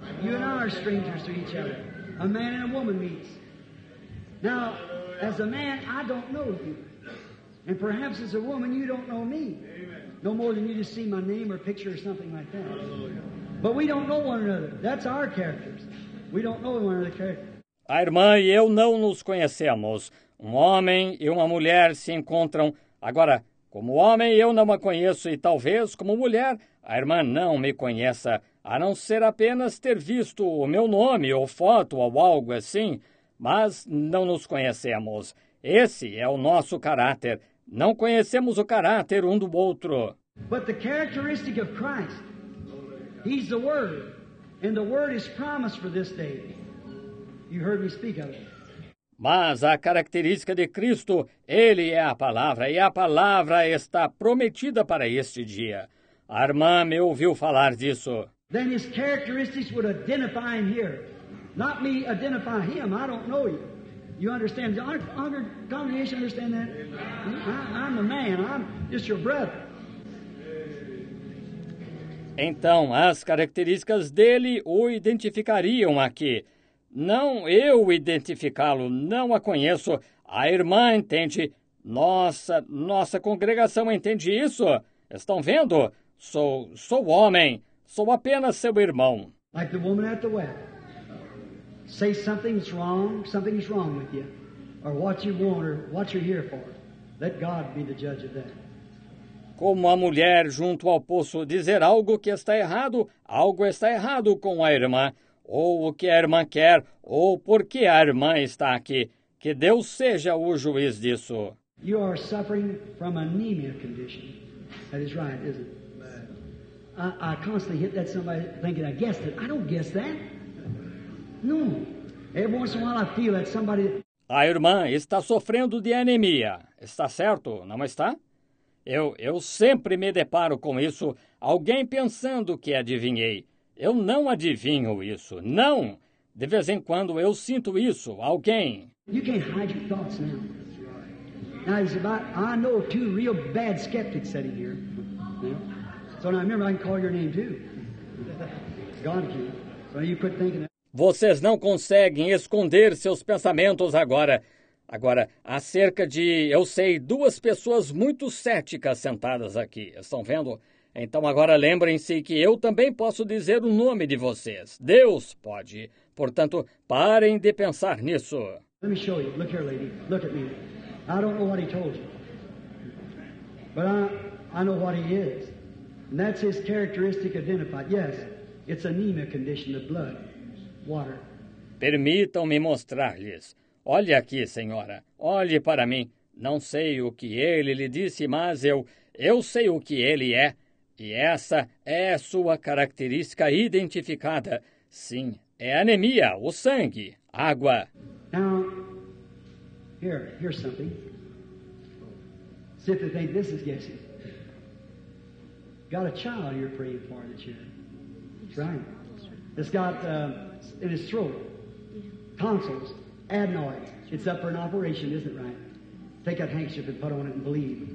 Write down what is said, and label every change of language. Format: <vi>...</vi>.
<en>You and I are strangers to each other. A man and a woman meets. Now, as a man, I don't know you. And perhaps as a woman, you don't know me. No more than you just see my name or picture or something like that. But we don't know one another. That's our characters. We don't know one another's characters.</en> <pt>A irmã e eu não nos conhecemos. Um homem e uma mulher se encontram. Agora, como homem, eu não a conheço. E talvez, como mulher, a irmã não me conheça. A não ser apenas ter visto o meu nome ou foto ou algo assim. Mas não nos conhecemos. Esse é o nosso caráter. Não conhecemos o caráter um do outro.</pt> <en>But the characteristic of Christ, he's the Word, and the Word is promised for this day. You heard me speak of it.</en> <pt>Mas a característica de Cristo, ele é a palavra, e a palavra está prometida para este dia. A irmã me ouviu falar disso.</pt> <en>Then his characteristics would identify him here. Not me identify him, I don't know him. You understand? Our congregation understand that? I'm a man. I'm just your brother.</en> <pt>Então, as características dele o identificariam aqui. Não eu identificá-lo, não a conheço. A irmã entende. Nossa congregação entende isso. Estão vendo? Sou homem. Sou apenas seu irmão.</pt> <en>Like the woman at the well. Say something's wrong with you. Or what you want or what you're here for. Let God be the judge of that.</en> <pt>Como a mulher junto ao poço dizer algo está errado com a irmã, ou o que a irmã quer, ou por que a irmã está aqui. Que Deus seja o juiz disso.</pt> <en>You are suffering from anemia condition. That is right, isn't it? I constantly hit that somebody thinking I guessed it. I don't guess that. No. Every once in a while I feel that somebody...</en> <pt>A irmã está sofrendo de anemia. Está certo, não está? Eu sempre me deparo com isso, alguém pensando que adivinhei. Eu não adivinho isso, não! De vez em quando eu sinto isso, alguém.</pt> <en>You can't hide your thoughts now. Now it's about, I know two real bad skeptics sitting here. So now remember, I can call your name too. God can. So you quit thinking.</en> <pt>Vocês não conseguem esconder seus pensamentos agora. Agora, acerca de, eu sei, duas pessoas muito céticas sentadas aqui. Estão vendo? Então agora lembrem-se que eu também posso dizer o nome de vocês. Deus pode. Portanto, parem de pensar nisso.</pt> <en>Let me show you. Look here, lady. Look at me. I don't know what he told you. But I know what he is. And that's his characteristic identified. Yes, it's anemia condition of blood, water.</en> <pt>Permitam-me mostrar-lhes. Olhe aqui, senhora. Olhe para mim. Não sei o que ele lhe disse, mas eu sei o que ele é. E essa é sua característica identificada. Sim, é anemia, o sangue, água.</pt> <en>Now, here's something. See if they think this is guessing. Got a child you're praying for that you're trying. It's got in his throat tonsils. Adenoid. It's up for an operation, isn't it right? Take that handkerchief and put on it and believe.</en>